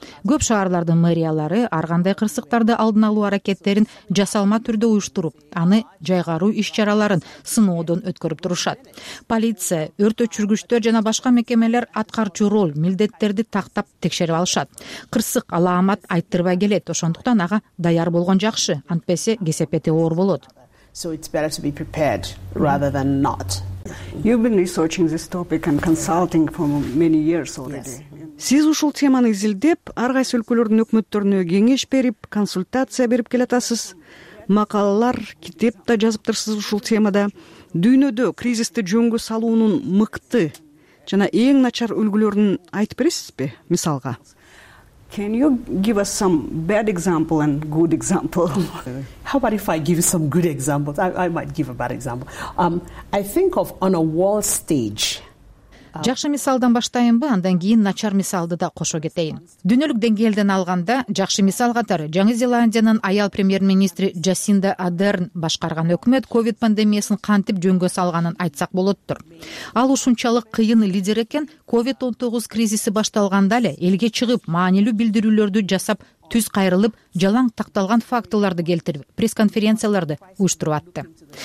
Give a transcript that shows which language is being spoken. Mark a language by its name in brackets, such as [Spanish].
[Kyrgyz] Көп шаарлардын мэриялары ар кандай кырсыктарды алдын алуу аракеттерин жасалма түрдө уюштуруп, аны жайгаруу иш чараларын сыноодон өткөрүп турушат. Полиция, өрт өчүргүчтөр жана башка мекемелер аткарчу роль, милдеттерди тактап текшерип алышат. Кырсык алаамат айттырбай келет, ошондуктан ага даяр болгон жакшы, антпесе кесепети оор болот. [English] So it's better to be prepared rather than not. You've been researching this topic and consulting for many years already. Yes. [Kyrgyz] Сиз ушул теманы изилдеп, ар кайсы өлкөлөрдүн өкмөттөрүнө кеңеш берип, консультация берип келатасыз. Макалалар, китеп да жазыптырсыз ушул темада. Дүйнөдө кризисти жөнгө салуунун мыкты жана эң начар үлгүлөрүн айтып бересизби? Мисалга. [English] Can you give us some bad example and good example? How about if I give some good examples? I might give a bad example. I think of on a wall stage. [Kyrgyz] Жакшы мисалдан баштайынбы, андан кийин начар мисалды да кошо кетейин. Дүйнөлүк деңгээлден алганда, жакшы мисал катары Жаңы Зеландиянын аял премьер-министри Жасинда Адерн башкарган өкмөт COVID пандемиясын кантип жөнгө салганын айтсак болоттур. Ал ушунчалык кыйын лидер экен, COVID-19 кризиси башталганда эле элге чыгып, маанилүү билдирүүлөрдү жасап, түз кайрылып, жалаң такталган фактыларды келтирип, пресс-конференцияларды уюштуруп атты.